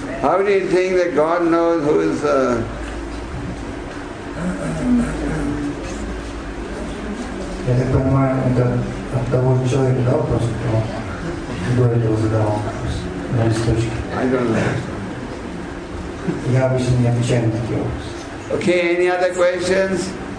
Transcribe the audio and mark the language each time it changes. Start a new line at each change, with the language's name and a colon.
English: How do you think that God knows who is
Russian: Я так понимаю, это от того человека, да, вопрос, кто говорит его задавал на листочке.
English: I don't know.
Russian: Я обычно не отвечаю на такие вопросы.
English: Okay, any other questions?